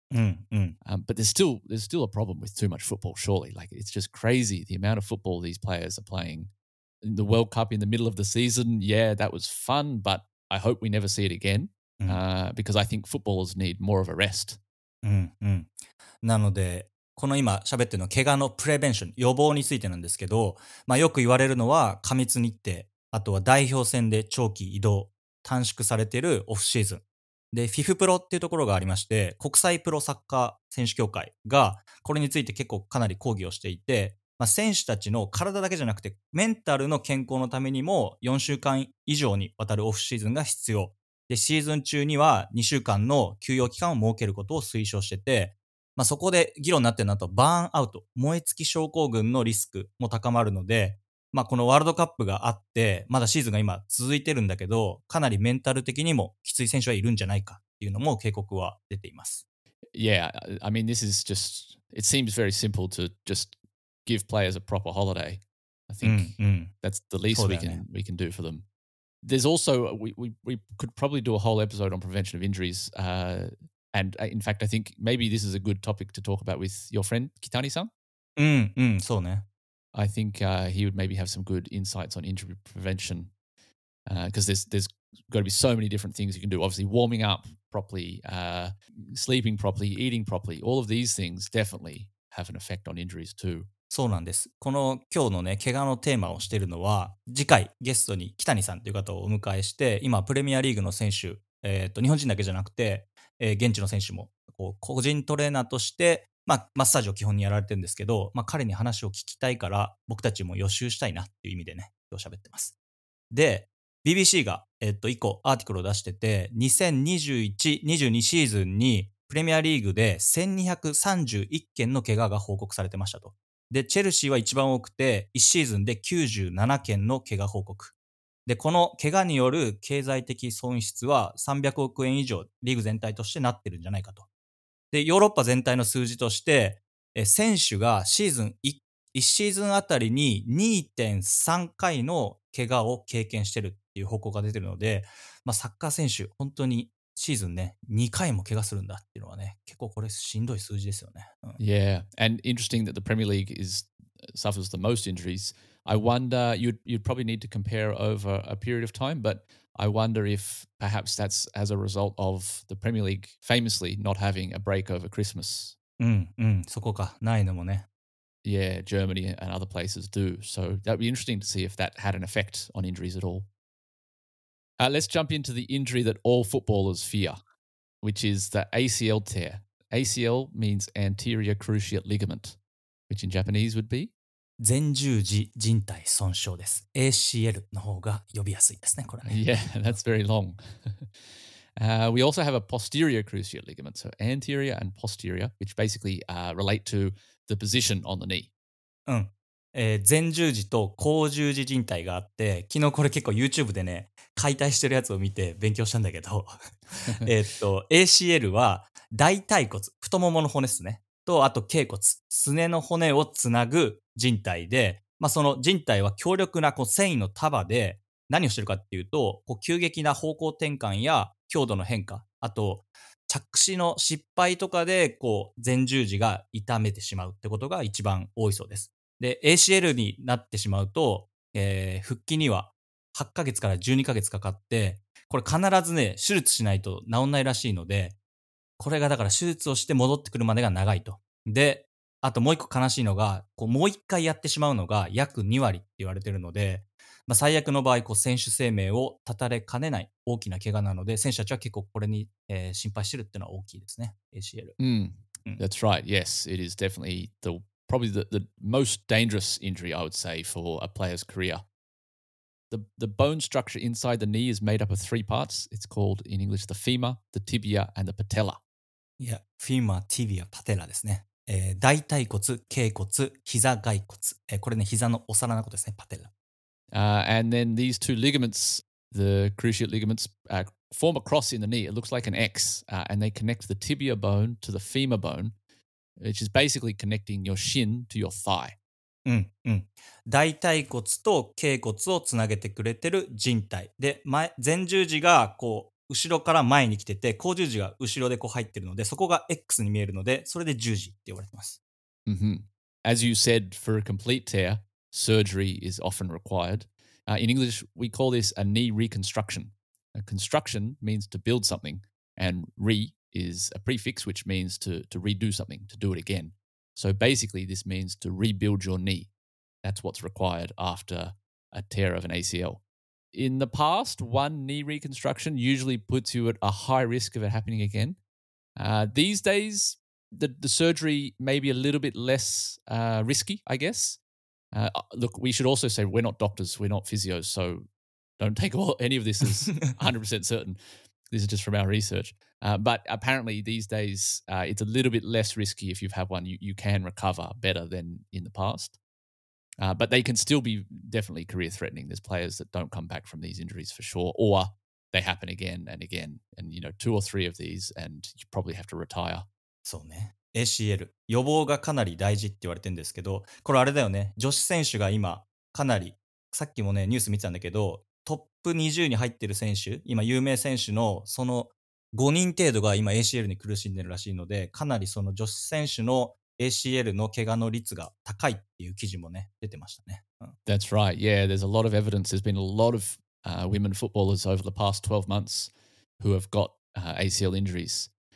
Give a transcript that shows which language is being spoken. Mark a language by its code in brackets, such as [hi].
[en] But there's still a problem with too much football, surely. Like, it's just crazy the amount of football these players are playing. In the World Cup in the middle of the season, yeah, that was fun, but I hope we never see it again. Because I think footballers need more of a rest. [ja] なので、この今喋ってるの怪我のプレベンション、予防についてなんですけど、まあよく言われるのは過密日程、あとは代表戦で長期移動、短縮されているオフシーズン。で、フィフプロっていうところがありまして、国際プロサッカー選手協会が、これについて結構かなり抗議をしていて、まあ、選手たちの体だけじゃなくて、メンタルの健康のためにも、4週間以上にわたるオフシーズンが必要。で、シーズン中には2週間の休養期間を設けることを推奨してて、まあ、そこで議論になってるのと、バーンアウト、燃え尽き症候群のリスクも高まるので、まあ、このワールドカップがあってまだシーズンが今続いてるんだけどかなりメンタル的にもきつい選手はいるんじゃないかっていうのも警告は出ています。 [en] Yeah, I mean this is just it seems very simple to just give players a proper holiday. I think that's the least we can do for them. There's also we could probably do a whole episode on prevention of injuries. And in fact, I think maybe this is a good topic to talk about with your friend Kitani-san. [ja] そうね。 [en] I think、he would maybe have some good insights on injury prevention because there's got to be so many different things you can do. Obviously, warming up properly, sleeping properly, eating properly, all of these things definitely have an effect on injuries too. [ja] そうなんです。この今日のね、怪我のテーマをしているのは、次回ゲストに北谷さんという方をお迎えして、今プレミアリーグの選手、日本人だけじゃなくて、現地の選手もこう個人トレーナーとしてまあ、マッサージを基本にやられてるんですけど、まあ、彼に話を聞きたいから、僕たちも予習したいなっていう意味でね、今日喋ってます。で、BBC が、一個アーティクルを出してて、2021-22 シーズンに、プレミアリーグで1231件の怪我が報告されてましたと。で、チェルシーは一番多くて、1シーズンで97件の怪我報告。で、この怪我による経済的損失は300億円以上、リーグ全体としてなってるんじゃないかと。で、ヨーロッパ全体の数字として、選手がシーズン 1シーズンあたりに 2.3 回の怪我を経験してるっていう報告が出てるので、まあ、サッカー選手、本当にシーズンね、2回も怪我するんだっていうのはね、結構これしんどい数字ですよね。うん、 [en] yeah, and interesting that the Premier League suffers the most injuries. I wonder, you'd probably need to compare over a period of time, but... I wonder if perhaps that's as a result of the Premier League famously not having a break over Christmas. [ja] そこか。ないのもね。 [en] Yeah, Germany and other places do. So that'd be interesting to see if that had an effect on injuries at all. Let's jump into the injury that all footballers fear, which is the ACL tear. ACL means anterior cruciate ligament, which in Japanese would be? [ja] 前十字靭帯損傷です。 ACL の方が呼びやすいですね、これね。 [en] Yeah, that's very long. We also have a posterior cruciate ligament. So anterior and posterior, which basically relate to the position on the knee. [ja] 前十字と後十字靭帯があって、昨日これ結構 YouTube でね、解体してるやつを見て勉強したんだけど、ACL は大腿骨、太ももの骨ですね。とあと脛骨、すねの骨をつなぐ靭帯で、まあ、その靭帯は強力なこう繊維の束で何をしてるかっていうと、こう急激な方向転換や強度の変化、あと着地の失敗とかでこう前十字が痛めてしまうってことが一番多いそうです。で、ACL になってしまうと、復帰には 8ヶ月から12ヶ月かかって、これ必ずね、手術しないと治んないらしいので、これがだから手術をして戻ってくるまでが長いと。で、あともう一個悲しいのが、こうもう一回やってしまうのが約2割って言われてるので、まあ、最悪の場合、こう選手生命を絶たれかねない大きな怪我なので、選手たちは結構これに、心配してるっていうのは大きいですね、ACL。 [en] Mm. That's right. Yes, it is definitely the probably the most dangerous injury, I would say, for a player's career. The bone structure inside the knee is made up of three parts. It's called, in English, the femur, the tibia, and the patella. Yeah, femur, tibia, patella [ja] ですね。大腿骨、頸骨、膝外骨。これね、膝のお皿のことですね、パテラ。 [en] And then these two ligaments, the cruciate ligaments, form a cross in the knee. It looks like an X, and they connect the tibia bone to the femur bone, which is basically connecting your shin to your thigh. [ja] うんうん。大腿骨と頸骨をつなげてくれてる靭帯。で、前十字がこう後ろから前に来てて、後十字が後ろでこう入ってるので、そこが X に見えるので、それで十字って言われてます。 [en] Mm-hmm. As you said, for a complete tear, surgery is often required. In English, we call this a knee reconstruction. A construction means to build something, and re is a prefix which means to redo something, to do it again. So basically, this means to rebuild your knee. That's what's required after a tear of an ACL. In the past, one knee reconstruction usually puts you at a high risk of it happening again. These days, the surgery may be a little bit less risky, I guess. Look, we should also say we're not doctors, we're not physios, so don't take any of this as 100% certain. This is just from our research. But apparently these days, it's a little bit less risky if you've had one. You can recover better than in the past. But they can still be definitely career threatening. There's players that don't come back from these injuries for sure, or they happen again and again. And, you know, two or three of these, and you probably have to retire. [ja] そうね。 ACL、予防がかなり大事って言われてるんですけど、これあれだよね、女子選手が今、かなり、さっきもね、ニュース見てたんだけど、トップ20に入ってる選手、今、有名選手のその5人程度が今、ACL に苦しんでるらしいので、かなりその女子選手のACL の怪我の率が高いっていう記事もね出てましたね、うん、 [en] That's right. Yeah, there's a lot of evidence. There's been a lot of women footballers over the past 12 months who have got ACL injuries.